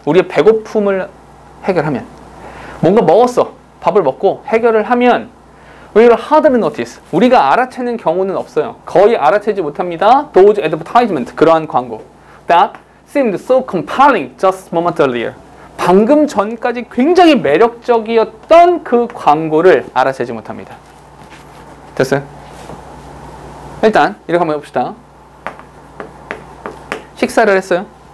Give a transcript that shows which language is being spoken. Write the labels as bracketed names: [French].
[Korean] 우리의 배고픔을 해결하면 뭔가 먹었어. 밥을 먹고 해결을 하면 [English] we'll hardly notice. [Korean] 우리가 알아채는 경우는 없어요. 거의 알아채지 못합니다. [English] Those advertisements, [Korean] 그러한 광고 [English] that seemed so compelling just moment earlier. [Korean] 방금 전까지 굉장히 매력적이었던 그 광고를 알아채지 못합니다. 됐어요? 일단 이렇게 한번 해봅시다. 식사를 했어요.